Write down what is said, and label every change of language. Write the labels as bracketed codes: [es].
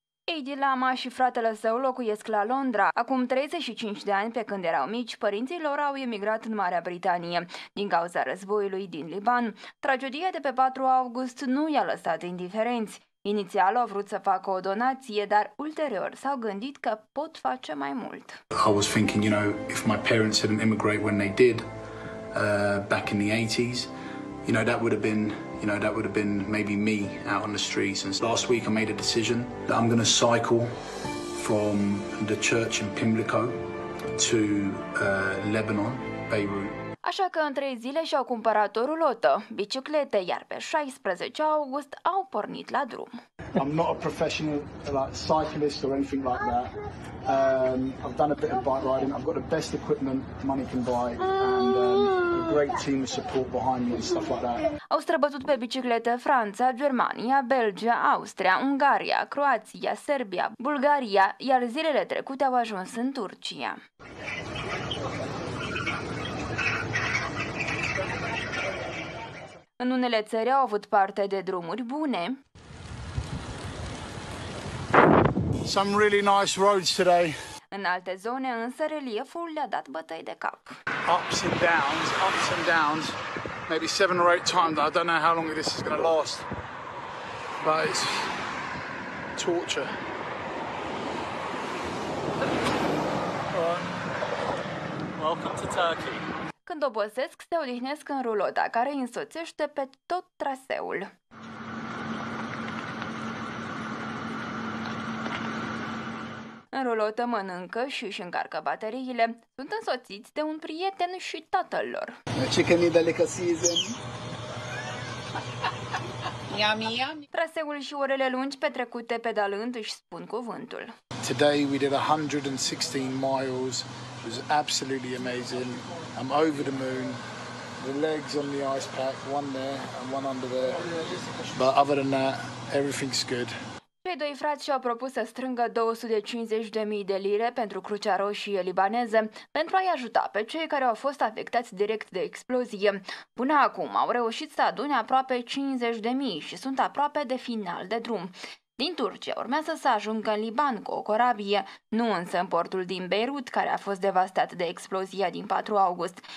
[ro] Heidi Lama și fratele său locuiesc la Londra. Acum 35 de ani, pe când erau mici, părinții lor au emigrat în Marea Britanie, din cauza războiului din Liban. Tragedia de pe 4 august nu i-a lăsat indiferenți. Inițial au vrut să facă o donație, dar ulterior s-au gândit că pot face mai mult. [en] I was thinking, you know, if my parents hadn't immigrated when they did, back in the 80s, you know, that would have been... You know, that would have been maybe me out on the streets. And last week I made a decision that I'm going to cycle from the church in Pimlico to Lebanon, Beirut. [ro] Așa că în 3 zile și-au cumpărat o rulotă, biciclete, iar pe 16 august au pornit la drum. [en] I'm not a professional like cyclist or anything like that. I've done a bit of bike riding. I've got the best equipment money can buy and great team of support behind me and stuff like that. [ro] Au străbătut pe biciclete Franța, Germania, Belgia, Austria, Ungaria, Croația, Serbia, Bulgaria, iar zilele trecute au ajuns în Turcia. În unele țări au avut parte de drumuri bune. [en] Some really nice roads today. În alte zone, însă, relieful le-a dat bătăi de cap. Ups and downs, ups and downs. Maybe 7 or 8 times. I don't know how long this is going to last. But it's torture. Welcome to Turkey. [ro] Când obosesc, se odihnesc în rulota, care îi însoțește pe tot traseul. înrulotă, mănâncă și își încarcă bateriile. Sunt însoțiți de un prieten și tatăl lor. Ce că mi-e de season? Traseul și orele lungi petrecute pedalând își spun cuvântul. [en] Today we did 116 miles. It was absolutely amazing. I'm over the moon. The legs on the ice pack, one there and one under there. But other than that, everything's good. [ro] Cei doi frați și-au propus să strângă 250.000 de lire pentru Crucea Roșie Libaneză pentru a-i ajuta pe cei care au fost afectați direct de explozie. Până acum au reușit să adune aproape 50.000 și sunt aproape de final de drum. Din Turcia urmează să ajungă în Liban cu o corabie, nu însă în portul din Beirut, care a fost devastat de explozia din 4 august.